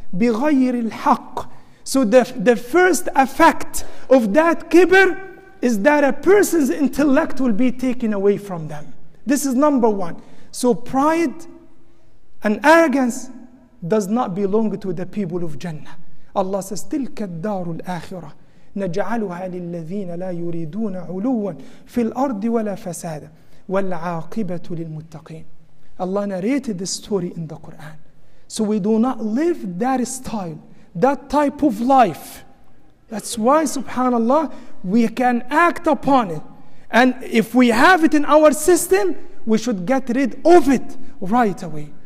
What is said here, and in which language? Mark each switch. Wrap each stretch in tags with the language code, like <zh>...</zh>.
<ar>بِغَيْرِ الْحَقِّ.</ar> <en>So the first effect of that kibr is that a person's intellect will be taken away from them. This is number one. So pride and arrogance does not belong to the people of Jannah. Allah says,</en> <ar>تلك الدار الآخرة نجعلها للذين لا يريدون علوا في الأرض ولا فسادا والعاقبة للمتقين.</ar> <en>Allah narrated this story in the Quran. So we do not live that style, that type of life, That's why, subhanAllah, we can act upon it. And if we have it in our system, we should get rid of it right away.</en>